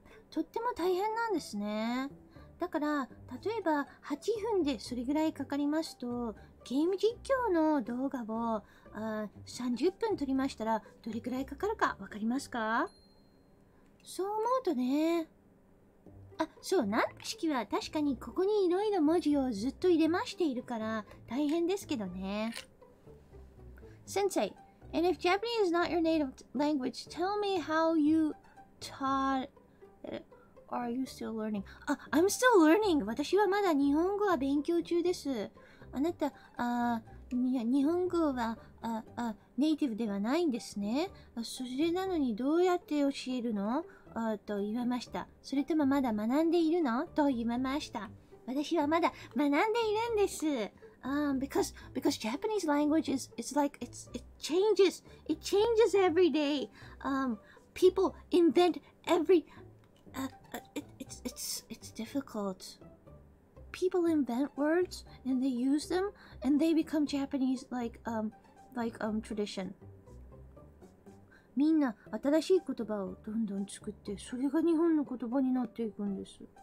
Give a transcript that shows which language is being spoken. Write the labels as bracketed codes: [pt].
[ja] とっても大変なんですね。だから、例えば8分でそれぐらいかかりますと、ゲーム実況の動画を30分撮りましたら、どれくらいかかるかわかりますか？そう思うとね。あ、そう、南部式は確かにここにいろいろ文字をずっと入れましているから、大変ですけどね。先生。 [en] And if Japanese is not your native language, tell me how you taught it. Are you still learning? I'm still learning. [ja] 私はまだ日本語は勉強中です。あなた、日本語はネイティブではないんですね。それなのにどうやって教えるの？と言われました。それともまだ学んでいるの？と言われました。私はまだ学んでいるんです。 [en] Because Japanese language is, it's like, it changes every day. People invent every, it's difficult. people invent words and they use them and they become Japanese like tradition. [ja] みんな新しい言葉をどんどん作ってそれが日本の言葉になっていくんです。